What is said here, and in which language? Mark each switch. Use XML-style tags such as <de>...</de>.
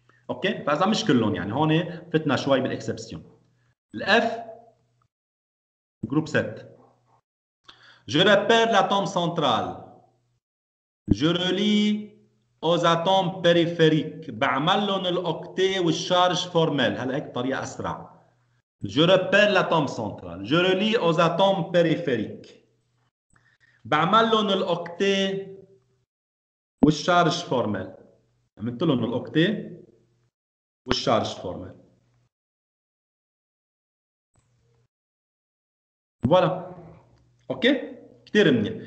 <ar>اوكي، فاذا مش كلهم يعني هون فتنا شوي بالاكسبسيون. الاف جروب ست،</ar> <fr>جو ريبير لاتوم سنترال، جو رولي aux atomes périphériques.</fr> <ar>بعملون الأكتي والشارج فورمال. هلا هيك طريقة أسرع.</ar> <fr>Je repère l'atome central. Je relie aux atomes périphériques.</fr> <ar>بعملون الأكتي والشارج فورمال. عملتلون الأكتي والشارج فورمال. Voilà. أوكي؟ كتير منيح.</ar>